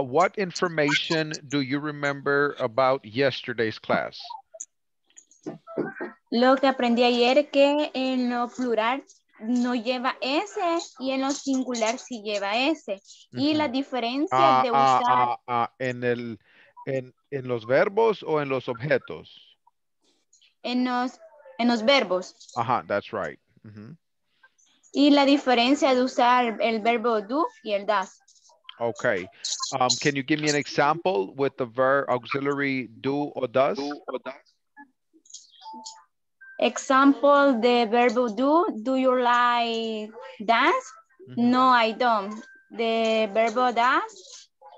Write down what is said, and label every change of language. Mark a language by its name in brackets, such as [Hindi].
[English] What information do you remember about yesterday's class? [Spanish] Lo que aprendí ayer que en lo plural no lleva S y en lo singular sí lleva S. Uh-huh. Y la diferencia de usar... ¿En los verbos o en los objetos? En los verbos. [English] Ajá, uh-huh, that's right. Uh-huh. [Spanish] Y la diferencia de usar el verbo do y el does. Okay. [English] Can you give me an example with the verb auxiliary do or does? Example, the verb do. Do you like dance? Mm-hmm. No, I don't. The verb does.